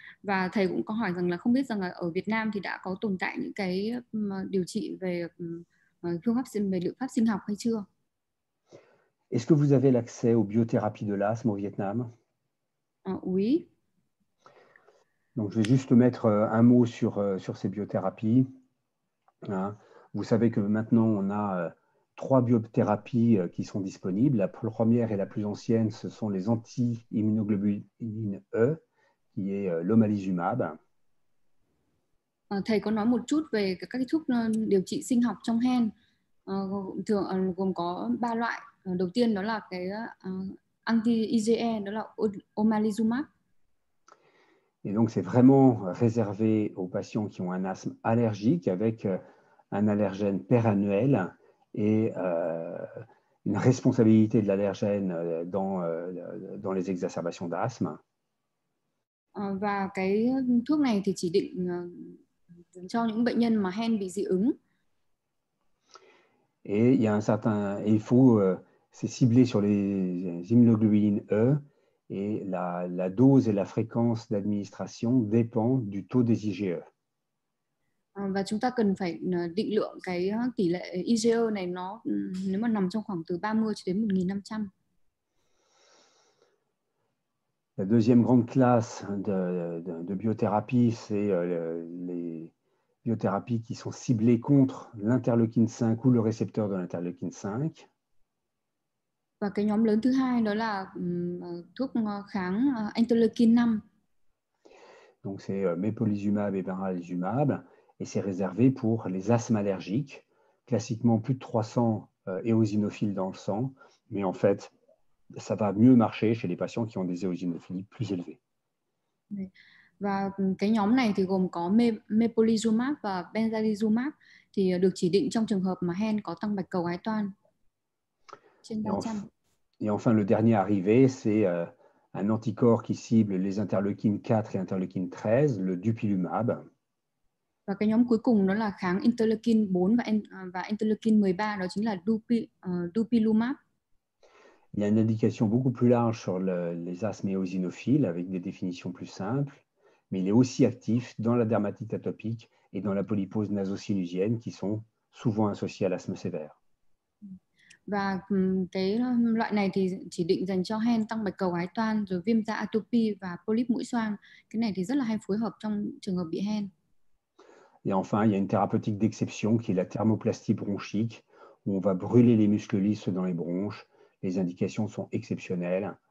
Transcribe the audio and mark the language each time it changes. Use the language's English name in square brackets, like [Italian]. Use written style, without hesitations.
[Vietnamese] Và thầy cũng có hỏi rằng là không biết rằng là ở Việt Nam thì đã có tồn tại những cái điều trị về phương pháp về liệu pháp sinh học hay chưa? [French] Est-ce que vous avez l'accès aux biothérapies de l'asthme au Vietnam? Oui. Donc je vais juste mettre un mot sur ces biothérapies. Hein? Vous savez que maintenant on a trois biothérapies qui sont disponibles. La première et la plus ancienne, ce sont les anti-immunoglobuline E, qui est l'omalizumab. [Vietnamese] Thầy có nói một chút về các cái thuốc điều trị sinh học trong hen, thường gồm có ba loại. Đầu tiên đó là cái anti-IgE, đó là omalizumab. [French] Et donc, c'est vraiment réservé aux patients qui ont un asthme allergique avec un allergène perannuel et une responsabilité de l'allergène dans les exacerbations d'asthme. [Vietnamese] Và cái thuốc này thì chỉ định cho những bệnh nhân mà hen bị dị ứng. [French] Et il y a un certain. Il faut. C'est ciblé sur les immunoglobulines E. Et la dose et la fréquence d'administration dépend du taux des IgE. [Vietnamese] Và chúng ta cần phải định lượng cái tỷ lệ IgE này, nó nếu mà nằm trong khoảng từ 30 cho đến 1500. [French] La deuxième grande classe de biothérapie, c'est les biothérapies qui sont ciblées contre l'interleukine 5 ou le récepteur de l'interleukine 5. [Vietnamese] Và cái nhóm lớn thứ hai đó là thuốc kháng interleukin 5. [French] Donc c'est mepolizumab et benralizumab et c'est réservé pour les asthmes allergiques, classiquement plus de 300 éosinophiles dans le sang, mais en fait ça va mieux marcher chez les patients qui ont des éosinophilies plus élevées. [Vietnamese] Và cái nhóm này thì gồm có mepolizumab và benralizumab, thì được chỉ định trong trường hợp mà hen có tăng bạch cầu ái toan trên [French] Et [Vietnamese] 300. [French] enfin le dernier arrivé, c'est un anticorps qui cible les interleukines 4 et interleukines 13, le dupilumab. [Vietnamese] Và cái nhóm cuối cùng đó là kháng interleukin 4 và interleukin 13, đó chính là dupilumab. [French] Il y a une indication beaucoup plus large sur les asthmes éosinophiles avec des définitions plus simples, mais il est aussi actif dans la dermatite atopique et dans la polypose nasosinusienne qui sont souvent associées à l'asthme sévère. [Vietnamese] Và cái loại này thì chỉ định dành cho hen tăng bạch cầu ái toan, rồi viêm da atopy và polyp mũi xoang. Cái này thì rất là hay phối hợp trong trường hợp bị hen. [French] Et enfin, il y a une thérapeutique d'exception qui est la thermoplastie bronchique, où on va brûler les muscles lisses dans les bronches. Les indications sont exceptionnelles.